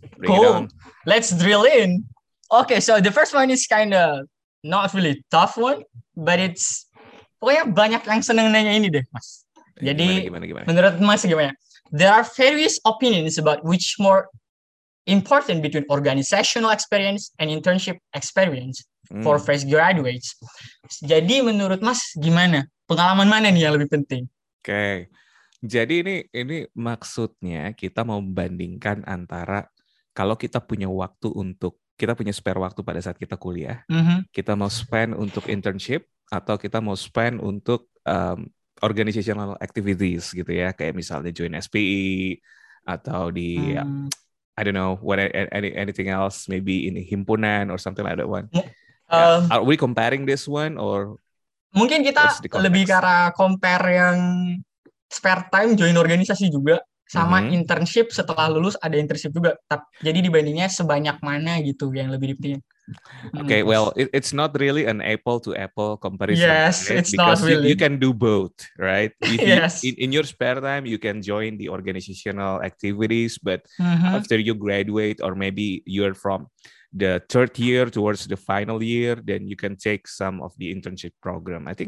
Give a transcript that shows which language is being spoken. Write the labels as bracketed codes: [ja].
[en] Cool. Let's drill in. Okay, so the first one is kind of not really tough one, but it's [id] pokoknya banyak yang seneng nanya ini deh, Mas. Jadi gimana? Menurut Mas gimana? [en] There are various opinions about which more important between organizational experience and internship experience for fresh graduates. [id] Jadi menurut Mas gimana? Pengalaman mana nih yang lebih penting? Okay. Jadi ini maksudnya kita mau membandingkan antara kalau kita punya waktu untuk, kita punya spare waktu pada saat kita kuliah, kita mau spend untuk internship, atau kita mau spend untuk organizational activities gitu ya, kayak misalnya join SPI, atau di, [en] I don't know, anything else, maybe in himpunan or something like that one. Yeah. Are we comparing this one or... [id] Mungkin kita lebih karena compare yang spare time join organisasi juga sama internship setelah lulus ada internship juga. Jadi dibandingnya sebanyak mana gitu yang lebih penting. [en] Okay, well, it's not really an apple to apple comparison. Yes, right? It's because not really. You can do both, right? Yes. In your spare time, you can join the organizational activities, but after you graduate or maybe you're from the third year towards the final year, then you can take some of the internship program.